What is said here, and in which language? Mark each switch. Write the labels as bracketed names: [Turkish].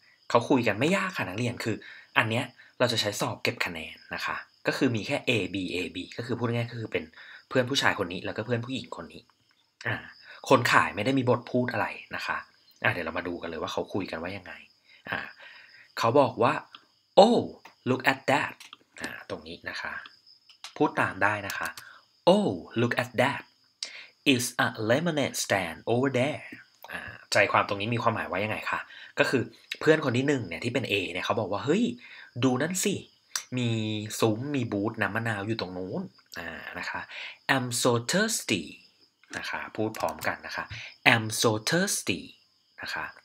[Thai] เขาคุยกันไม่ยากค่ะนักเรียนคืออันเนี้ยเราจะใช้สอบเก็บคะแนนนะคะก็คือมีแค่ A B ก็คือพูดง่ายๆคือเป็นเพื่อนผู้ชายคนนี้แล้วก็เพื่อนผู้หญิงคนนี้คนขายไม่ได้มีบทพูดอะไรนะคะเดี๋ยวเรามาดูกันเลยว่าเขาคุยกันว่ายังไงเขาบอกว่า [English] Oh look at that [Thai] ตรงนี้นะคะพูดตามได้นะคะ [English] Oh, look at that. It's a lemonade stand over there. [Thai] ใจความตรงนี้มีความหมายว่ายังไงคะก็คือเพื่อนคนที่หนึ่งเนี่ยที่เป็น A เนี่ยเขาบอกว่าเฮ้ยดูนั่นสิมีซุ้มมีบูธน้ำมะนาวอยู่ตรงนู้นนะคะ [English] I'm so thirsty [Thai] นะคะพูดพร้อมกันนะคะ I'm so thirsty นะคะ